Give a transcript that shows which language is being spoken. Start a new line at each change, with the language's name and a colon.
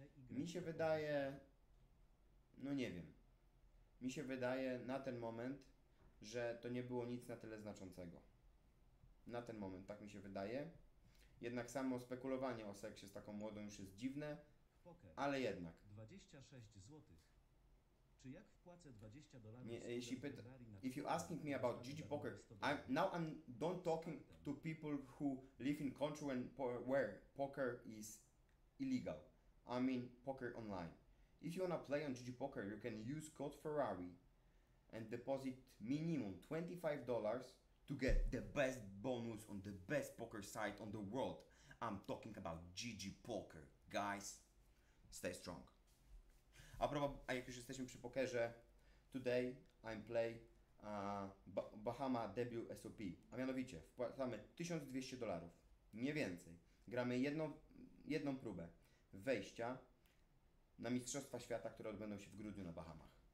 Polish: Mi się wydaje, no nie wiem, mi się wydaje na ten moment, że to nie było nic na tyle znaczącego. Na ten moment, tak mi się wydaje. Jednak samo spekulowanie o seksie z taką młodą już jest dziwne, ale jednak. 26 zł. Czy jak wpłacę $20? Nie, jeśli
English: if you asking me about Gigi Poker, I'm don't talking to people who live in country where poker is illegal. I mean poker online. If you wanna play on Gigi Poker, you can use code Ferrari and deposit minimum $25 to get the best bonus on the best poker site on the world. I'm talking about Gigi Poker, guys. Stay strong.
Polish: A jak już jesteśmy przy pokerze,
English: today I'm play Bahama WSOP,
Polish: a mianowicie wpłacamy $1200, nie więcej. Gramy jedną próbę wejścia na Mistrzostwa Świata, które odbędą się w grudniu na Bahamach.